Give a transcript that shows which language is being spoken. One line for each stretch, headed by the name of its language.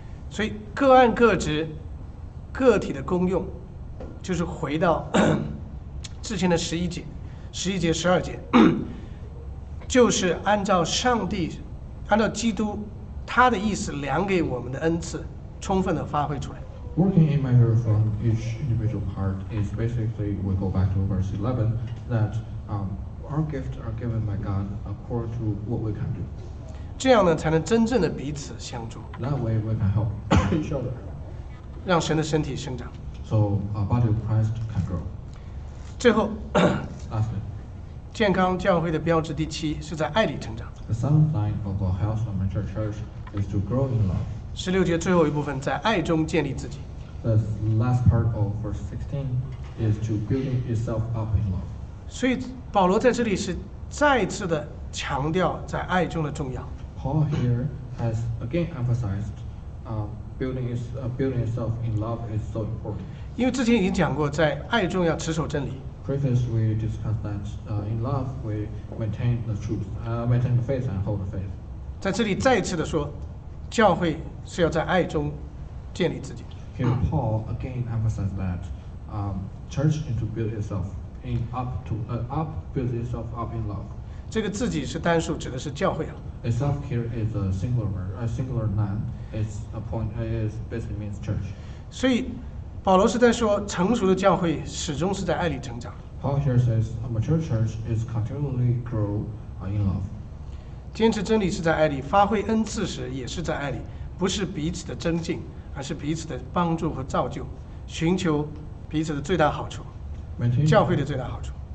Chinese: 所以各按各职，个体的功用，就是回到之前的十一节十二节，就是按照上帝，按照基督他的意思量给我们的恩赐充分地发挥出来。
English: Working in measure from each individual part is basically, we go back to verse 11, that our gifts are given by God according to what we can do.
Chinese: 这样呢才能真正的彼此相助。
English: That way we can help each other.
Chinese: 让神的身体生长。
English: So our body of Christ can grow.
Chinese: 最后
English: Lastly,
Chinese: 健康教会的标志第七是在爱里成长。
English: The seventh sign of our health and mature church is to grow in love.
Chinese: 十六节最后一部分，在爱中建立自己。
English: The last part of verse 16 is to building yourself up in love.
Chinese: 所以保罗在这里是再次的强调在爱中的重要。
English: Paul here has again emphasized, building yourself in love is so important.
Chinese: 因为之前已经讲过，在爱中要持守真理。
English: Previously we discussed that, in love we maintain the truth, maintain the faith and hold the faith.
Chinese: 在这里再次的说。教会是要在爱中建立自己。
English: Here Paul again emphasizes that, church needs to build itself in up to up build itself up in love.
Chinese: 这个自己是单数，指的是教会啊。
English: Itself here is a singular noun. It's a point. It basically means church.
Chinese: 所以保罗是在说，成熟的教会始终是在爱里成长。
English: Paul here says a mature church is continually grow in love.
Chinese: 坚持真理是在爱里，发挥恩赐时也是在爱里，不是彼此的增进，而是彼此的帮助和造就，寻求彼此的最大好处，教会的最大好处。